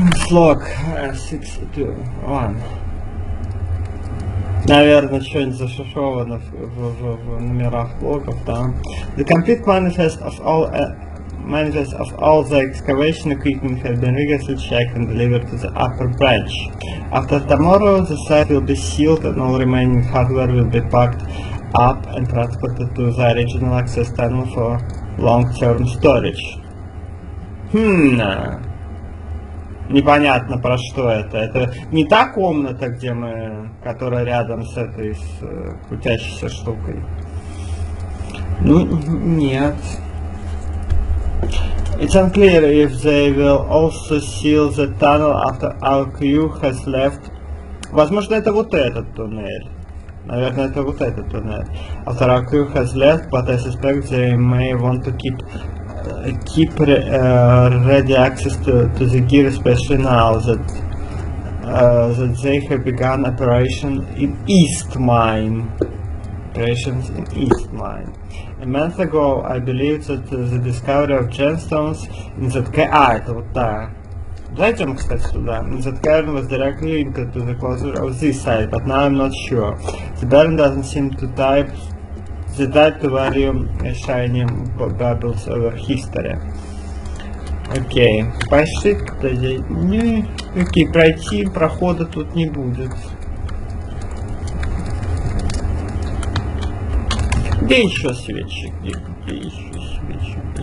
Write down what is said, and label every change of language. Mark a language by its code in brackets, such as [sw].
[ru] Лог 621. Наверное, что-нибудь зашифровано в номерах логов, да. [en] The complete manifest of all the excavation equipment have been rigorously checked and delivered to the upper branch. After tomorrow, the site will be sealed and all remaining hardware will be packed up and transported to the original access tunnel for long-term storage. [ru] Непонятно про что это. Это не та комната, где мы, которая рядом с этой с крутящейся штукой. Ну нет. [en] It's unclear if they will also seal the tunnel after our crew has left. [ru] Возможно, это вот этот туннель. Наверное, это вот этот туннель. [en] After our crew has left, but I suspect they may want to keep. Keep ready access to the gear, especially now that that they have begun operation in East Mine. Operations in East Mine. A month ago, I believe that the discovery of gemstones in that... [ru] А, это вот та Зайдем, кстати, сюда. [en] That kind was directly linked to the closure of this site, but now I'm not sure. The baron doesn't seem to type the type to value shiny bubbles over history. [ru] Окей, пошли кто не, окей, пройти прохода тут не будет. Где еще свечи? Где еще свечи?